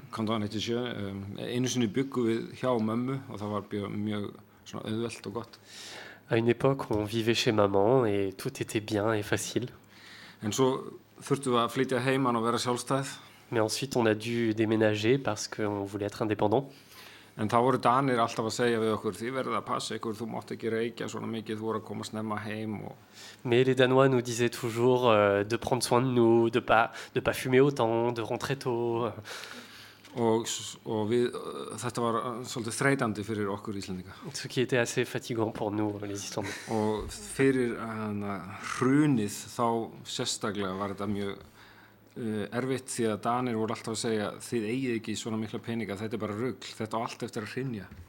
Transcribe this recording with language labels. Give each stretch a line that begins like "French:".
French: Quand on était jeune, une fois, on vivait chez maman, et ça très heureux et bon. À une époque, on vivait chez maman, et tout était bien et facile. Et puis, nous devions aller à la maison et être seuls. Mais ensuite, on a dû déménager parce qu'on voulait être indépendant.
Icelandic: En þá voru Danir alltaf að segja við okkur, þið verðið að passa ykkur, þú mátt ekki reykja svona mikið, þú voru að koma snemma heim.
French: Mais les Danois nous disaient toujours de prendre soin de nous, de pas fumer autant, de rentrer tôt.
Icelandic: Og við, þetta var svolítið þreytandi fyrir okkur Íslendinga.
French: Ce qui était assez fatigant pour nous, les Islandais.
Icelandic: Og fyrir hrunið þá sérstaklega var þetta mjög... erfitt því að Danir voru alltaf að segja þið eigið ekki svona mikla peninga þetta bara rugl, þetta á allt eftir að hrynja